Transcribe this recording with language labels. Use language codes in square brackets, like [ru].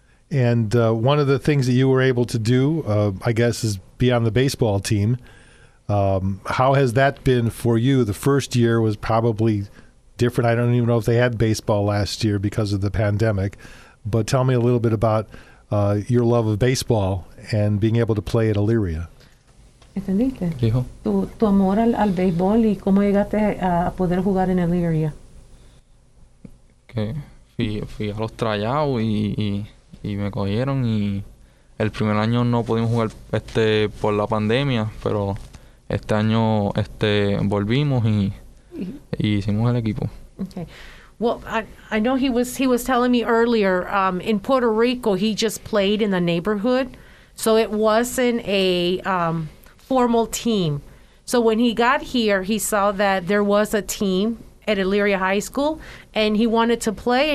[en] And one of the things that you were able to do, I guess, is be on the baseball team. How has that been for you? The first year was probably different. I don't even know if they had baseball last year because of the pandemic. But tell me a little bit about your love of baseball and being able to play at Elyria. [es] ¿Entendiste? Dijo. Tu amor al béisbol y cómo llegaste a poder jugar en Elyria. Que fui a los tryouts y me cogieron y el primer año no pudimos jugar por la pandemia, pero este año volvimos y hicimos el equipo. [en] Okay. Well, I know he was telling me earlier, in Puerto Rico, he just played in the neighborhood. So it wasn't a formal team. So when he got here, he saw that there was a team at Elyria High School, and he wanted to play.